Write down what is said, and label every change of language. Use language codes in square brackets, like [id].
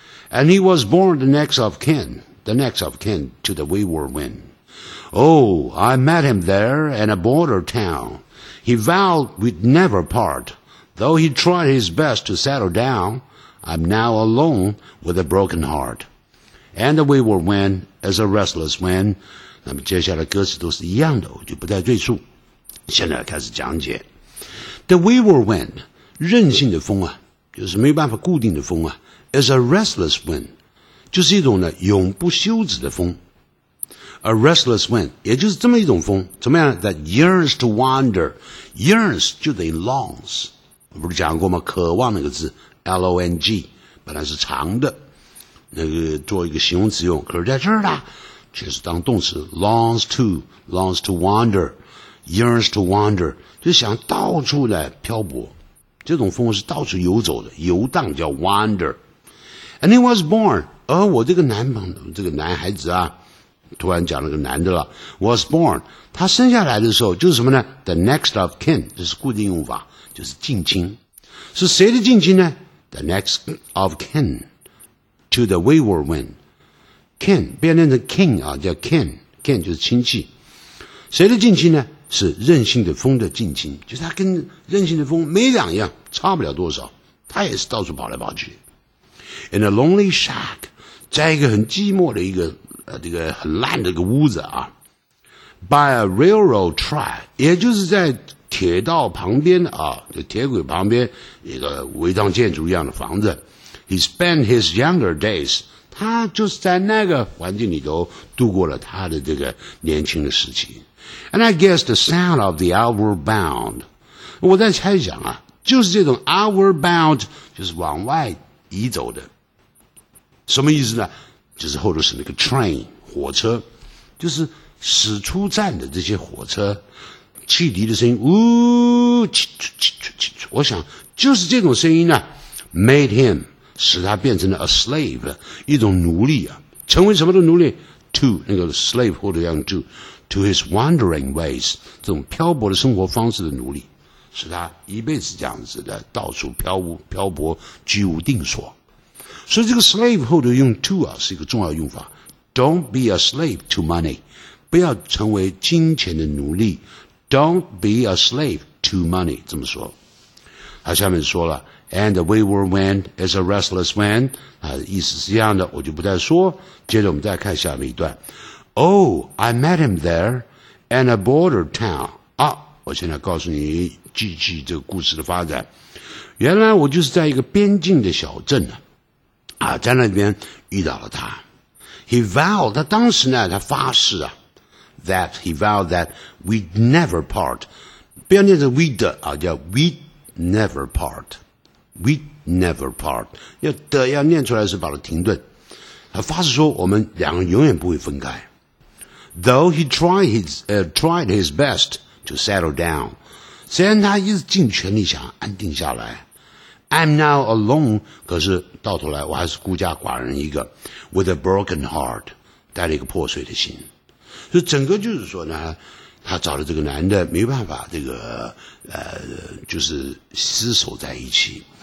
[en] And he was born the next of kin to the wayward wind. Oh, I met him there in a border town. He vowed we'd never part. Though he tried his best to settle down, I'm now alone with a broken heart. And the wayward wind is a restless wind. [zh] 那么接下来歌词都是一样的，我就不再赘述。现在开始讲解。 [en] The wayward wind, [zh] 任性的风啊，就是没办法固定的风啊， [en] is a restless wind, [zh] 就是一种呢永不休止的风。 [en] A restless wind, [zh] 也就是这么一种风，怎么样 ? [en] That yearns to wander. [zh] Yearns 就得 longs。我不是讲过吗？渴望那个字 ,L-O-N-G, 本来是长的。那个做一个形容词用，可是在这儿呢就是当动词 [en] longs to wander, yearns to wander, [zh] 就想到处的漂泊，这种风是到处游走的，游荡叫 wander。 [en] And he was born, [zh] 我这个男朋友，这个男孩子啊，突然讲了个男的了， [en] was born, [zh] 他生下来的时候就是什么呢？ [en] the next of kin, [zh] 这是固定用法，就是近亲，是谁的近亲呢？ [en] the next of kinTo the wayward wind. [zh] Kin, 变成的 kin 啊，叫 kin, kin 就是亲戚。谁的近亲呢？是任性的风的近亲，就是他跟任性的风没两样，差不了多少，他也是到处跑来跑去。 [en] In a lonely shack, [zh] 在一个很寂寞的一个这个很烂的一个屋子啊。 [en] By a railroad track, [zh] 也就是在铁道旁边啊，就铁轨旁边一个违章建筑一样的房子。 [en] He spent his younger days, [zh] 他就是在那个环境里头度过了他的这个年轻的时期。 [en] And I guess the sound of the outward bound, [zh] 我在猜想啊，就是这种 [en] outward bound, [zh] 就是往外移走的。什么意思呢？就是后头是那个 train, 火车，就是驶出站的这些火车，汽笛的声音，呜，我想就是这种声音呢 [en] made him, [zh] 使他变成了 [en] a slave, [zh] 一种奴隶啊，成为什么的奴隶？ to, 那个 slave 或者要用 [en] to his wandering ways, [zh] 这种漂泊的生活方式的奴隶，使他一辈子这样子的到处漂泊居无定所。所以这个 slave 后头用 to 啊是一个重要用法。 [en] Don't be a slave to money, [zh] 不要成为金钱的奴隶。 [en] Don't be a slave to money, [zh] 这么说。 他下面说了 [en] And the wayward wind is a restless wind. [zh] 意思是一样的，我就不再说。接着我们再看下面一段。 [en] Oh, I met him there in a border town. [zh] 啊，我现在告诉你继续这个故事的发展。原来我就是在一个边境的小镇呢，啊，在那边遇到了他。 He vowed, 他当时呢，他发誓啊 ， [en] that he vowed that we'd never part. [zh] 不要念成 we'd 啊，叫 [en] we'd never part. We never part. 要念出来是把它停顿。 [zh] 他发誓说我们两个永远不会分开。 [en] Though he tried his best to settle down. [zh] 虽然他一直尽全力想安定下来。 [en] I'm now alone, [zh] 可是到头来我还是孤家寡人一个 [en] with a broken heart, [zh] 带了一个破碎的心。所以整个就是说呢，他找了这个男的没办法这个就是厮守在一起。